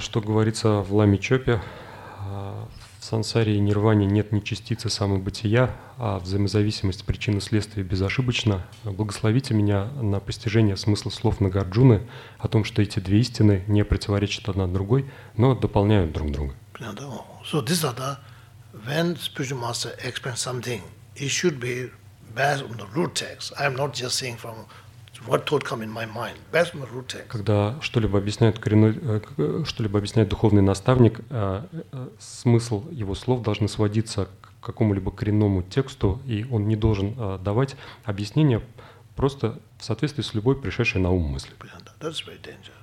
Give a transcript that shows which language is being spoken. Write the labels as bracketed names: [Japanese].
[Russian] Что говорится в Ламе Чопе? В сансаре и нирване нет ни частицы самобытия, а взаимозависимость причины-следствия безошибочна. Благословите меня на постижение смысла слов Нагарджуны о том, что эти две истины не противоречат одна другой, но дополняют друг друга. [English] So this is the, when spiritual master explains something, it should be based on the root text. I am not just saying from what thought come in my mind, based on the root text. [Russian] Когда что-либо объясняет духовный наставник, смысл его слов должен сводиться к какому-либо коренному тексту, и он не должен давать объяснение просто в соответствии с любой пришедшей на ум мысли. [English] That's very dangerous.